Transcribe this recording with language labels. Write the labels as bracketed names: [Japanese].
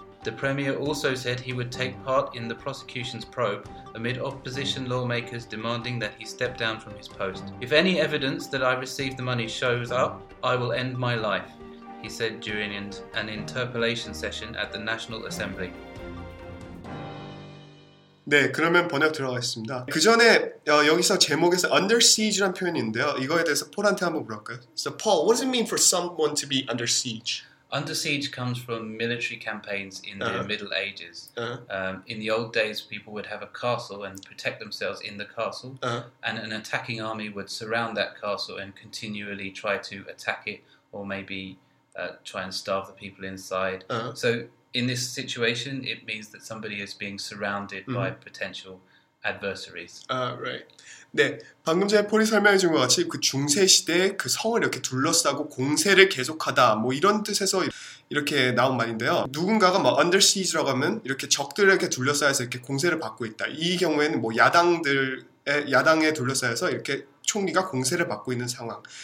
[English] The Premier also said he would take part in the prosecution's probe amid opposition lawmakers demanding that he step down from his post. If any evidence that I received the money shows up, I will end my life, he said during an interpellation session at the National Assembly. [Korean] 네, 그러면 번역 들어가겠습니다. 그 전에 여기서 제목에서 under siege란 표현인데요. 이거에 대해서 폴한테 한번 물어볼까요? [English] So Paul, what does it mean for someone to be under siege? Under siege comes from military campaigns in the Middle Ages. In the old days, people would have a castle and protect themselves in the castle. And an attacking army would surround that castle and continually try to attack it or maybe try and starve the people inside. So in this situation, it means that somebody is being surrounded by potential adversaries. Right. [Korean] 네, 방금 전에 폴이 설명해 준 것 같이 그 중세 시대에 그 성을 이렇게 둘러싸고 공세를 계속하다 뭐 이런 뜻에서 이렇게 나온 말인데요. 누군가가 막 under siege라고 하면 이렇게 적들을 이렇게 둘러싸여서 이렇게 공세를 받고 있다. 이 경우에는 뭐 야당에 둘러싸여서 이렇게 총리가 공세를 받고 있는 상황.